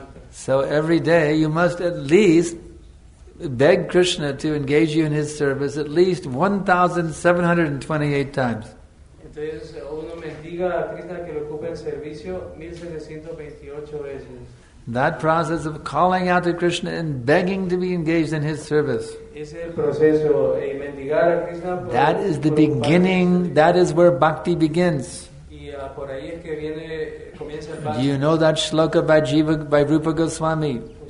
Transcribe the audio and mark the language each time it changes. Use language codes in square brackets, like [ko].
[en] So every day you must at least beg Krishna to engage you in his service at least 1,728 times. [es] Entonces, uno mendiga a Krishna que lo ocupe el servicio 1,728 veces. [en] That process of calling out to Krishna and begging to be engaged in his service. [es] Ese es el proceso, mendigar a Krishna por, [en] that is the beginning, that is where bhakti begins. [es] Y, por ahí es que viene, comienza el bhakti. [en] Do you know that shloka by Jiva, by Rupa Goswami?